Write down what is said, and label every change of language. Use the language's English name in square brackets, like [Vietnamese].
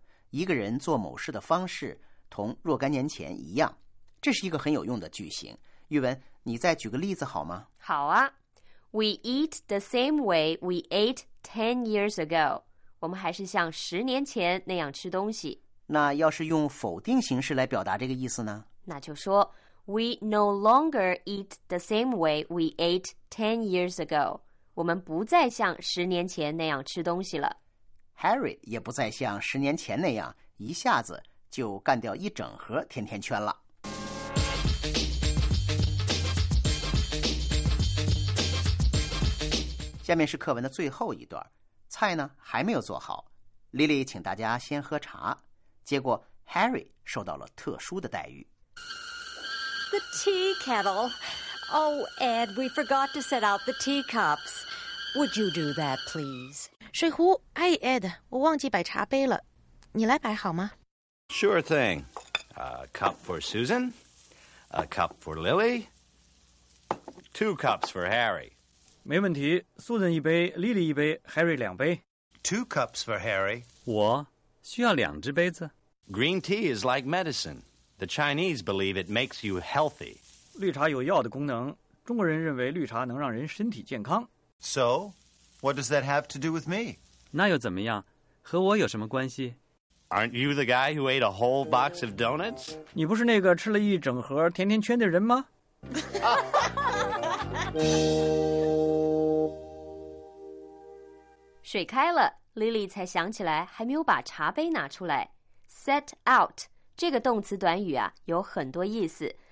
[Chinese] 一个人做某事的方式同若干年前一样，这是一个很有用的句型。玉文，你再举个例子好吗？好啊。 [English] We eat the same way we ate 10 years ago. [Chinese] 我们还是像十年前那样吃东西。那要是用否定形式来表达这个意思呢？那就说 [English] We no longer eat the same way we ate 10 years ago. [Chinese] 我们不再像十年前那样吃东西了。 Harry 也不再像十年前那样一下子就干掉一整盒甜甜圈了。下面是课文的最后一段，菜呢还没有做好， Lily 请大家先喝茶，结果 Harry 受到了特殊的待遇。 [English] The tea kettle. Oh, Ed, we forgot to set out the teacups. Would you do that, please? [Chinese] 水壶，哎 ，Ed， 我忘记摆茶杯了，你来摆好吗 [English] ？Sure thing. A cup for Susan, a cup for Lily, two cups for Harry. [Chinese] 没问题 ，Susan 一杯 ，Lily 一杯 ，Harry 两杯。 [English] Two cups for Harry. [Chinese] 我需要两只杯子。 [English] Green tea is like medicine. The Chinese believe it makes you healthy. [Chinese] 绿茶有药的功能，中国人认为绿茶能让人身体健康。 [English] So. What does that have to do with me? [Chinese] 那又怎么样？和我有什么关系？ [English] Aren't you the guy who ate a whole box of donuts? [Chinese] 你不是那个吃了一整盒甜甜圈的人吗？水开了， Lily 才想起来还没有把茶杯拿出来。 Set out 这个动词短语啊，有很多意思。